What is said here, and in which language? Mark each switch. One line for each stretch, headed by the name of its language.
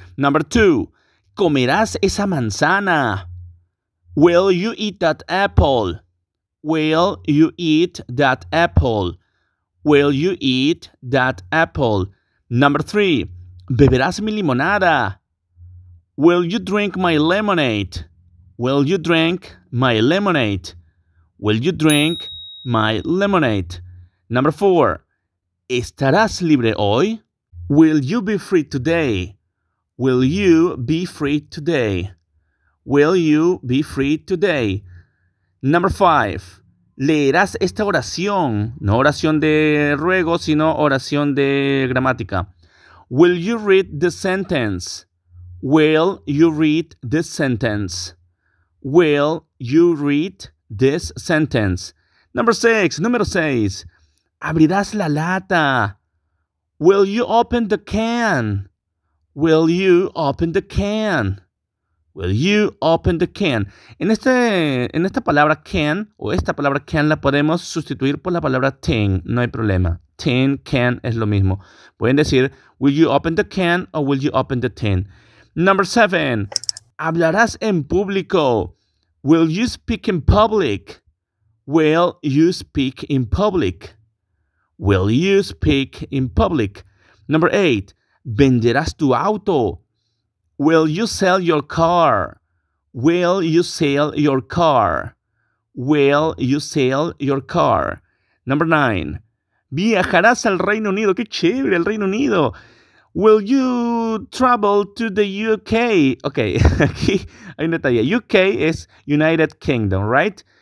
English: Number two,
Spanish: ¿comerás esa manzana?
English: Will you eat that apple? Will you eat that apple? Will you eat that apple? Number three,
Spanish: ¿beberás mi limonada?
English: Will you drink my lemonade? Will you drink my lemonade? Will you drink my lemonade? Number four,
Spanish: ¿estarás libre hoy?
English: Will you be free today? Will you be free today? Will you be free today? Number five,
Spanish: ¿leerás esta oración? No oración de ruego, sino oración de gramática.
English: Will you read the sentence? Will you read this sentence? Will you read this sentence? Number six,
Spanish: número seis, ¿abrirás la lata? Will you open the can? Will you open the can?
English: Will you open the can?
Spanish: En esta palabra can, o esta palabra can, la podemos sustituir por la palabra tin, no hay problema.
English: Tin, can,
Spanish: es lo mismo. Pueden decir,
English: will you open the can
Spanish: o
English: will you open the tin? Number seven,
Spanish: ¿hablarás en público?
English: Will you speak in public? Will you speak in public? Will you speak in public? Number eight,
Spanish: ¿venderás tu auto?
English: Will you sell your car? Will you sell your car? Will you sell your car? Number nine,
Spanish: ¿viajarás al Reino Unido? ¡Qué chévere, el Reino Unido!
English: Will you travel to the UK? Ok,
Spanish: aquí hay un detalle.
English: UK is United Kingdom, right?